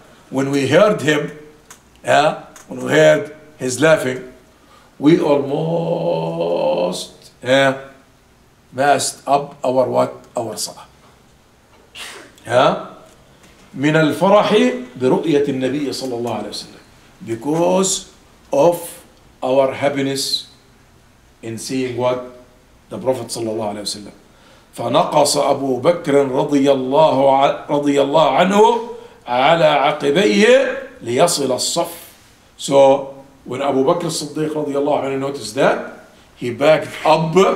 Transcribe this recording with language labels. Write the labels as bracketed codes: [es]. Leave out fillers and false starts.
[en] When we heard him, when we heard his laughing, we almost messed up our what? Our صلاة. [ar] من الفرح برؤية النبي صلى الله عليه وسلم. [en] Because of our happiness in seeing what the Prophet [ar] صلى الله عليه وسلم فنقص أبو بكر رضي الله عنه على عقبيه ليصل الصف [en] so when أبو بكر الصديق رضي الله عنه noticed that he backed up